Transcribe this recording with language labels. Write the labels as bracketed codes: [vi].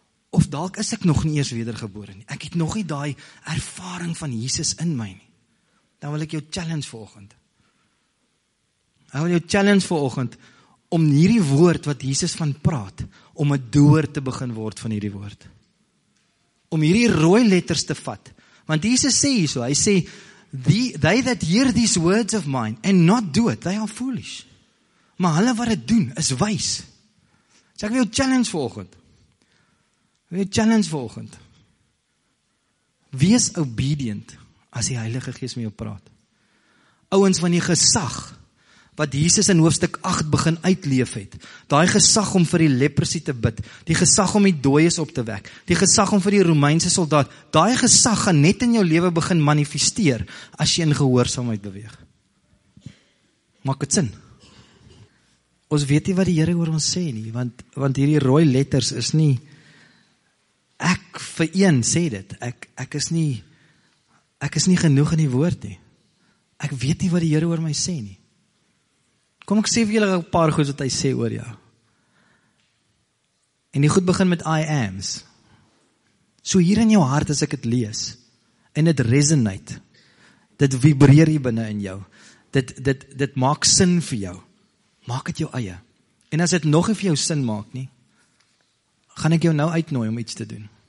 [af] Of dalk is ek nog nie eers wedergebore nie. Ek het nog nie daai ervaring van Jesus in my nie. Dan wil ek jou challenge vanoggend. Ek wil jou challenge vanoggend om hierdie woord wat Jesus van praat, om 'n doer te begin word van hierdie woord. Om hierdie rooi letters te vat. Want Jesus sê hierso, hy sê, [en] they that hear these words of mine and not do it, they are foolish. [af] Maar hulle wat dit doen, is wys. So ek wil jou challenge vanoggend. Ek wil jou challenge vanoggend. Wees obedient as die Heilige Gees met jou praat. Ouens van die gesag, wat Jesus in hoofstuk 8 begin uitleef het, daai gesag om vir die leprosie te bid, die gesag om die dooies op te wek, die gesag om vir die Romeinse soldaat, daai gesag gaan net in jou lewe begin manifesteer, as jy in gehoorsaamheid beweeg. Maak dit sin? Ons weet nie wat die Here oor ons sê nie, want hierdie rooi letters is nie, ek vir een sê dit, ek is nie genoeg in die woord nie. Ek weet nie wat die Here oor my sê nie. Kom ek sê vir julle 'n paar goed wat hy sê oor jou. En die goed begin met I am's. So hier in jou hart as ek dit lees en dit resonate. Dit vibreer hier binne in jou. Dit maak sin vir jou. Maak dit jou eie. En as dit nog nie vir jou sin maak nie, gaan ek jou nou uitnooi om iets te doen.